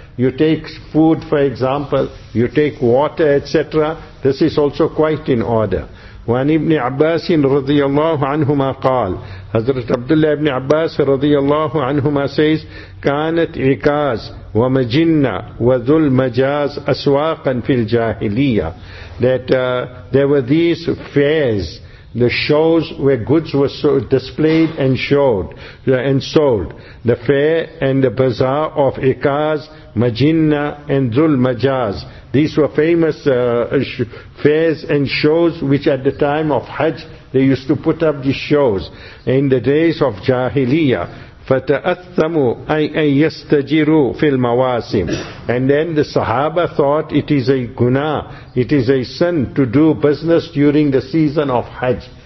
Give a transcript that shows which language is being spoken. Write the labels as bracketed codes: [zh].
[en] You take food, for example, you take water, etc. This is also quite in order. [ar] وعن ابن عباس رضي الله عنهما قال حضرت عبد الله ابن عباس رضي الله عنهما [en] says [ar] كانت عكاز ومجنة وذو المجاز أسواقا في الجاهلية, [en] that there were these fairs, the shows where goods were displayed and showed and sold, the fair and the bazaar of [ar] عكاز, مجنة and ذو المجاز. [en] These were famous fairs and shows which at the time of Hajj they used to put up these shows in the days of Jahiliyyah. [ar] فَتَأَثَّمُوا أَنْ يَسْتَجِرُوا فِي الْمَوَاسِمِ. [en] And then the Sahaba thought it is a guna, it is a sin to do business during the season of Hajj.